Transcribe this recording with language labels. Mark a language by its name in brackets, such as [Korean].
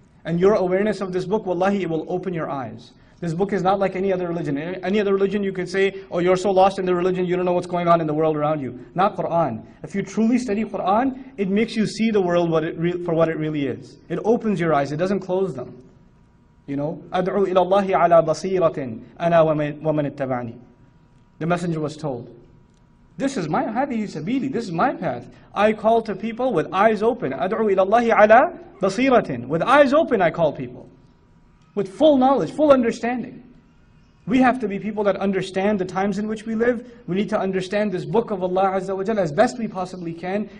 [English] And your awareness of this book, wallahi, it will open your eyes. This book is not like any other religion. Any other religion you could say, oh, you're so lost in the religion, you don't know what's going on in the world around you. Not Quran. If you truly study Quran, it makes you see the world for what it really is. It opens your eyes, it doesn't close them. You know? [Arabic] أَدْعُوا إِلَى اللَّهِ عَلَى بَصِيرَةٍ أَنَا وَمَنِ اتَّبَعْنِي [English] The messenger was told. This is my [Arabic] hadhihi sabili, [English] this is my path. I call to people with eyes open. [Arabic] أَدْعُوا إِلَى اللَّهِ عَلَى بَصِيرَةٍ [English] With eyes open I call people. With full knowledge, full understanding. We have to be people that understand the times in which we live. We need to understand this book of Allah Azza wa Jalla as best we possibly can.